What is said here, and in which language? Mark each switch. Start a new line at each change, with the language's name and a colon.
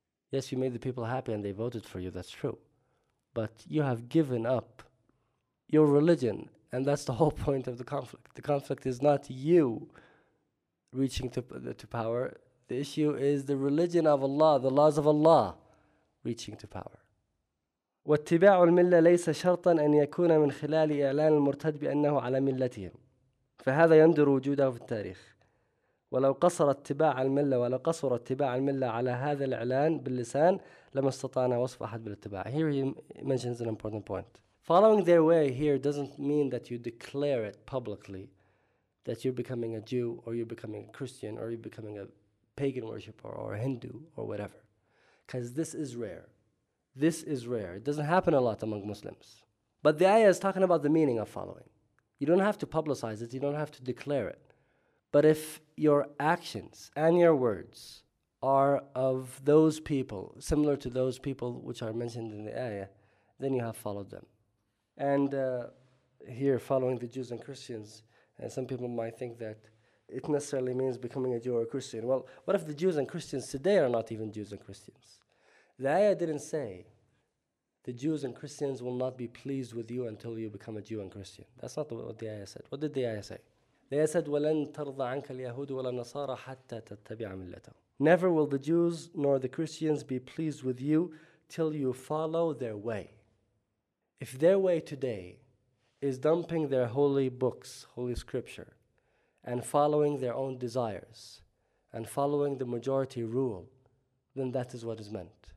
English: Yes, you made the people happy and they voted for you. That's true. But you have given up your religion, and that's the whole point of the conflict. The conflict is not you reaching to power. The issue is the religion of Allah, the laws of Allah, reaching to power.
Arabic: واتباع الملة ليس شرطا أن يكون من خلال إعلان المرتد بأنه على ملتهم فهذا يندر وجوده في التاريخ ولو قصر اتباع الملة ولو قصر اتباع الملة على هذا الإعلان باللسان لما استطعنا وصف أحد بالاتباع.
English: Here he mentions an important point. Following their way here doesn't mean that you declare it publicly that you're becoming a Jew or you're becoming a Christian or you're becoming a pagan worshiper or a Hindu or whatever. Because this is rare. This is rare. It doesn't happen a lot among Muslims. But the ayah is talking about the meaning of following. You don't have to publicize it. You don't have to declare it. But if your actions and your words are of those people, similar to those people which are mentioned in the ayah, then you have followed them. And here, following the Jews and Christians, and some people might think that it necessarily means becoming a Jew or a Christian. Well, what if the Jews and Christians today are not even Jews and Christians? The ayah didn't say, the Jews and Christians will not be pleased with you until you become a Jew and Christian. That's not what the ayah said. What did the ayah say? The ayah said,
Arabic: وَلَن تَرْضَ عَنْكَ الْيَهُودُ وَلَا النَّصَارَ حَتَّى تَتَّبِعَ مِلَّتَهُ.
English: Never will the Jews nor the Christians be pleased with you till you follow their way. If their way today is dumping their holy books, holy scripture, and following their own desires, and following the majority rule, then that is what is meant.